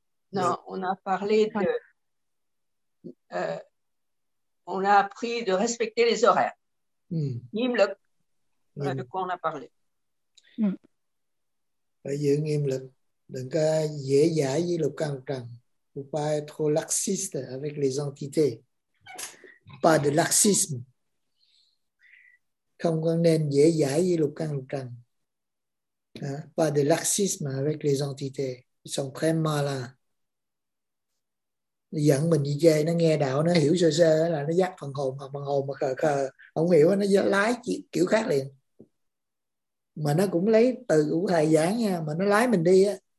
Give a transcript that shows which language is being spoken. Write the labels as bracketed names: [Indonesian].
[French] No, on a parlé de... on a appris de respecter les horaires. [Vietnamese] Nghiêm lực. [French] Là de quoi on a parlé. [Vietnamese] Phải giữ nghiêm lực. Đừng có dễ dãi với lục căn trần. [French] Faut pas être laxiste avec les entités. Pas de laxisme. [Vietnamese] Không có nên dễ dãi với lục căn trần. [French] Pas de laxisme avec les entités. Ils sont très malins. [Vietnamese] Dẫn mình đi chơi, nó nghe đạo, nó hiểu sơ sơ là nó dắt phần hồn, hoặc phần hồn mà khờ khờ không hiểu, nó lái kiểu khác liền. Mà nó cũng lấy từ của thầy giảng nha, mà nó lái mình đi á.